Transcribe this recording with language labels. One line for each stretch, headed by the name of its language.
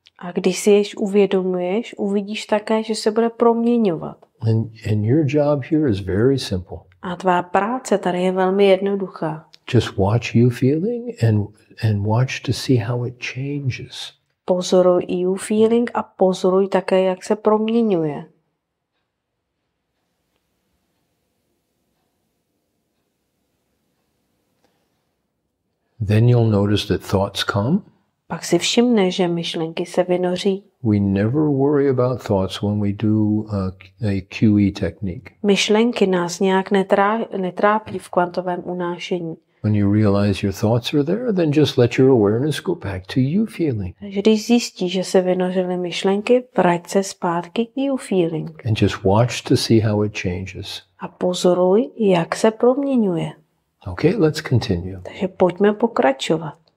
Czech: A když si jež uvědomuješ, uvidíš také, že se bude proměňovat.
English: And your job here is very simple.
Czech: A tvá práce tady je velmi jednoduchá.
English: Just watch you feeling and watch to see how it changes.
Czech: Pozoruj you feeling a pozoruj také, jak se proměňuje.
English: Then you'll notice that thoughts come.
Czech: Pak si všimne, že myšlenky se vynoří.
English: We never worry about thoughts when we do a QE technique.
Czech: Myšlenky nás nějak netrápí v kvantovém unášení.
English: When you realize your thoughts are there, then just let your awareness go back to you feeling.
Czech: Když zjistíš, že se vynořily myšlenky, vrať se zpátky k you feeling.
English: And just watch to see how it changes.
Czech: A pozoruj, jak se proměňuje.
English: Okay, let's continue.
Czech: Takže pojďme pokračovat.